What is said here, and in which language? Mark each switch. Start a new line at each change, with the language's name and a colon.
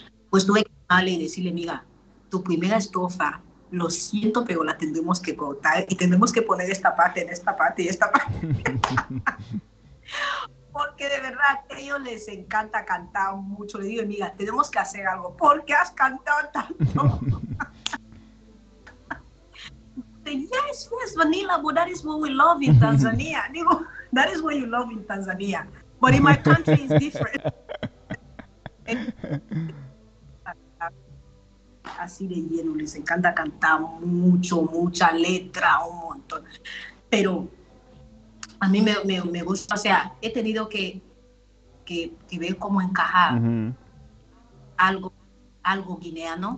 Spanish: Pues tuve que llamarle y decirle, mira, tu primera estrofa, lo siento, pero la tendremos que cortar y tendremos que poner esta parte en esta parte y esta parte. Porque de verdad a ellos les encanta cantar mucho. Le digo, mira, tenemos que hacer algo. ¿Por qué has cantado tanto?
English: Yes, Vanilla, but that is what we love in Tanzania. Digo, that is what you love in Tanzania. But in my country is different.
Spanish: Así de lleno, les encanta cantar mucho, mucha letra, un montón. Pero a mí me gusta, o sea, he tenido que ver cómo encajar algo guineano